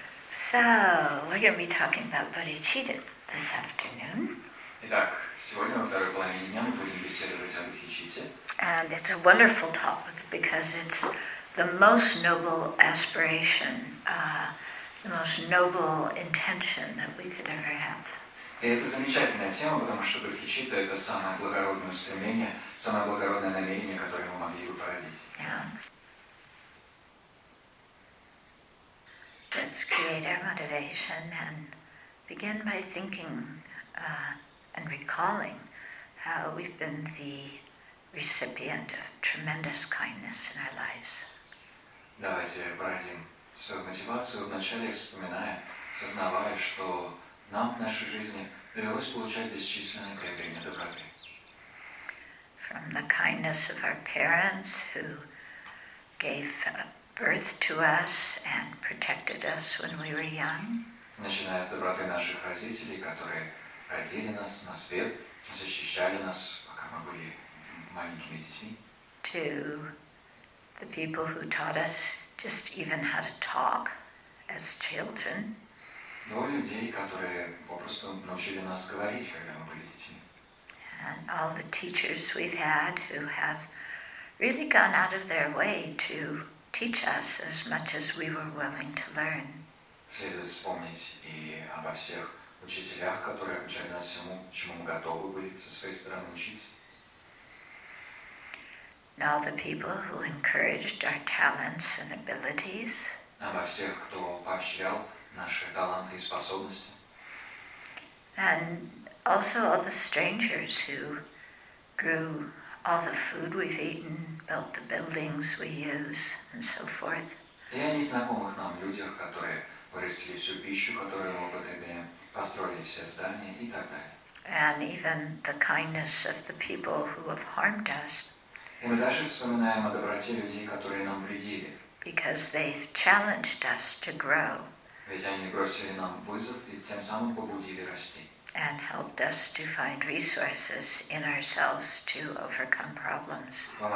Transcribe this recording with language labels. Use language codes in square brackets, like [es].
[en] So, we're going to be talking about bodhicitta this afternoon. [ru] Итак, сегодня во второй половине дня мы будем беседовать о бодхичитте. [en] And it's a wonderful topic because it's the most noble aspiration, the most noble intention that we could ever have. [ru] И это замечательная тема, потому что бодхичитта это самое благородное устремление, самое благородное намерение, которое мы могли бы породить. [en] Let's create our motivation and begin by thinking and recalling how we've been the recipient of tremendous kindness in our lives. [ru] Давайте обратим свою мотивацию, вначале вспоминая, сознавая, что нам в нашей жизни довелось получать бесчисленное проявление доброты. [en] From the kindness of our parents who gave birth to us and protected us when we were young. [ru] Начиная с доброты наших родителей, которые родили нас на свет, защищали нас, пока мы были маленькими детьми. [en] To the people who taught us just even how to talk as children. [ru] До людей, которые попросту научили нас говорить, когда мы были детьми. [en] And all the teachers we've had who have really gone out of their way to teach us as much as we were willing to learn. [ru] Следует вспомнить и обо всех учителях, которые обучали нас всему, чему мы готовы были со своей стороны учиться. [en] And all the people who encouraged our talents and abilities. [ru] Обо всех, кто поощрял наши таланты и способности. [en] And also all the strangers who grew all the food we've eaten, built the buildings we use, and so forth. [ru] И о незнакомых нам людях, которые вырастили всю пищу, которую мы употребляем, построили все здания и так далее. [en] And even the kindness of the people who have harmed us. [ru] И мы даже вспоминаем о доброте людей, которые нам вредили. [en] Because they've challenged us to grow. [ru] Ведь они бросили нам вызов и тем самым побудили расти. [en] And helped us to find resources in ourselves to overcome problems.